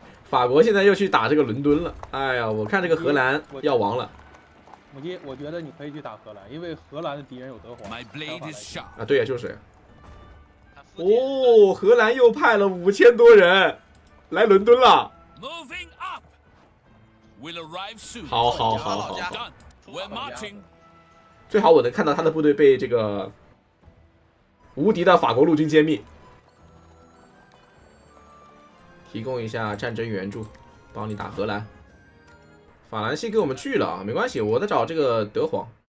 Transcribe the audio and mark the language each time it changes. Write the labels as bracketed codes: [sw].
[zh] 法国现在又去打这个伦敦了。哎呀，我看这个荷兰要亡了。我觉得你可以去打荷兰，因为荷兰的敌人有德皇。啊，对呀，就是。他哦，荷兰又派了5000多人来伦敦了。 [en] Moving up, we'll arrive soon. [zh] 好好好好好。 [en] We're marching. [zh] 最好我能看到他的部队被这个无敌的法国陆军歼灭。提供一下战争援助，帮你打荷兰。法兰西给我们拒了，没关系，我在找这个德皇。